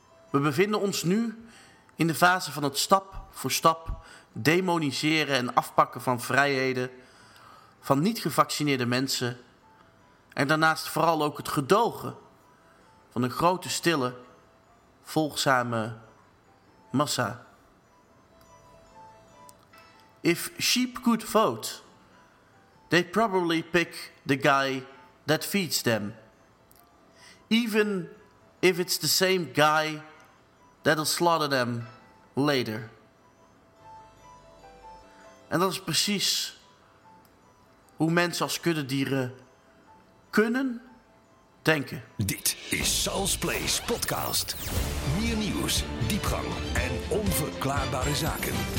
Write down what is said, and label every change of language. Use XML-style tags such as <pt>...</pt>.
<nl>We bevinden ons nu in de fase van het stap voor stap demoniseren en afpakken van vrijheden van niet gevaccineerde mensen en daarnaast vooral ook het gedogen van een grote, stille, volgzame massa.</nl> <en>If sheep could vote, they'd probably pick the guy that feeds them. Even if it's the same guy that'll slaughter them later.</en> <nl>En dat is precies hoe mensen als kuddedieren kunnen denken. Dit is Sal's Place Podcast. Meer nieuws, diepgang en onverklaarbare zaken.</nl>